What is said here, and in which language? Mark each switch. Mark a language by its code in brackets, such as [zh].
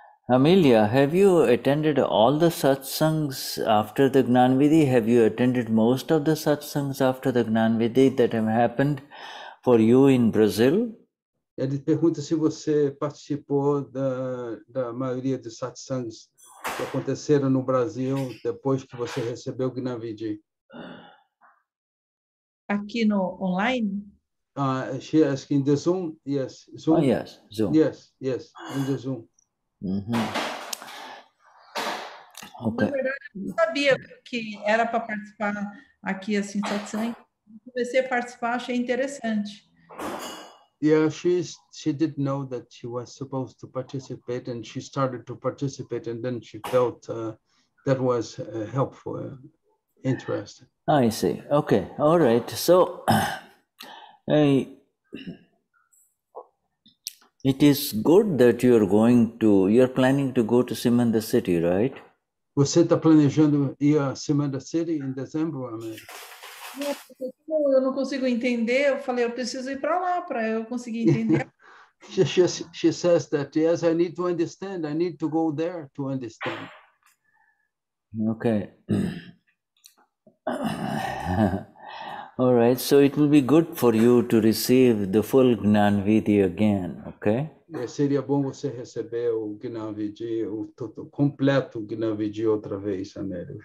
[en] Amélia, have you attended all the satsangs after the Gnan Vidhi? Have you attended most of the satsangs after the Gnan Vidhi that have happened for you in Brazil? [pt] Ele pergunta se você participou da maioria dos satsangs que aconteceram no Brasil depois que você recebeu o Gnan Vidhi. Aqui no online? [en] She asked in the Zoom? Yes. Zoom? Oh, yes. Zoom. Yes, yes, in the Zoom. Uhum. Okay. [pt] Na verdade, eu não sabia que era para participar aqui assim, satsang. Comecei a participar, achei interessante. [en] Yeah, she did know that she was supposed to participate, and she started to participate, and then she felt that was helpful, interesting. I see. Okay, all right. So, hey. It is good that you're planning to go to Simanda City, right? [pt] Você está planejando ir a Simanda City em dezembro, Amélia? Eu não consigo entender. Eu falei, eu preciso ir para lá para eu conseguir entender. [en] She says that, yes, I need to understand. I need to go there to understand. Okay. All right, so it will be good for you to receive the full Gnan Vidhi again, okay? [pt] Seria bom você receber o Gnan Vidhi, o completo Gnan Vidhi outra vez, Amélia.